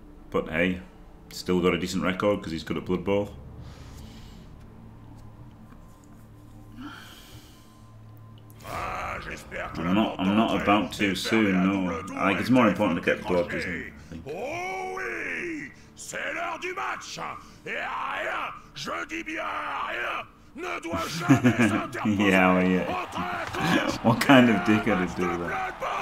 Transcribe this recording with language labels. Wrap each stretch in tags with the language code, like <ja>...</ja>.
<en>But hey, still got a decent record because he's good at Blood Bowl. I'm not about too soon, no. Like, it's more important to get the club, isn't it?</en> <fr>Oh oui! C'est l'heure du match! Et rien, je dis bien rien, ne doit jamais s'interposer.</fr> <en>Yeah, well, yeah. What kind of dick had to do that?</en>